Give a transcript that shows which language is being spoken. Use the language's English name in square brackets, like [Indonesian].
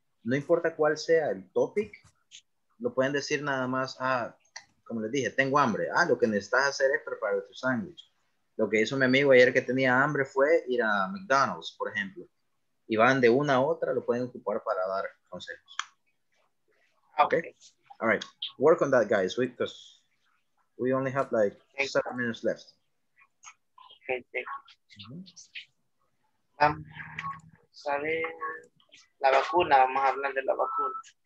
[Spanish] No importa cuál sea el topic, lo pueden decir nada más, ah, como les dije, tengo hambre. Ah, lo que necesitas hacer es preparar tu sándwich. Lo que hizo mi amigo ayer que tenía hambre fue ir a McDonald's, por ejemplo. Y van de una a otra, lo pueden ocupar para dar consejos. [English] Okay. Okay. All right. Work on that, guys, because we only have like 7 minutes left. Okay, thank you. [Spanish] Sale la vacuna, vamos a hablar de la vacuna.